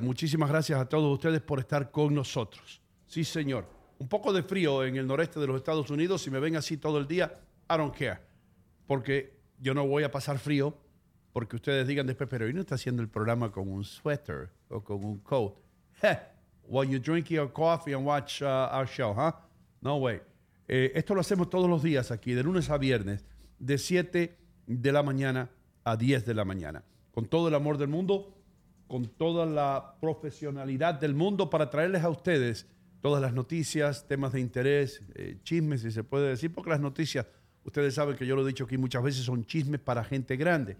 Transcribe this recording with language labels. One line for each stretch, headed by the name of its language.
Spanish: Muchísimas gracias a todos ustedes por estar con nosotros. Sí, señor. Un poco de frío en el noreste de los Estados Unidos. Si me ven así todo el día,
English: I don't care.
Spanish: Porque yo no voy a pasar frío. porque ustedes digan después, pero hoy no está haciendo el programa con un sweater o con un coat.
English: While you drink your coffee and watch our show, huh? No way.
Spanish: Esto lo hacemos todos los días aquí, de lunes a viernes, de 7 de la mañana a 10 de la mañana. Con todo el amor del mundo, con toda la profesionalidad del mundo para traerles a ustedes todas las noticias, temas de interés, chismes, si se puede decir, porque las noticias, ustedes saben que yo lo he dicho aquí muchas veces, son chismes para gente grande.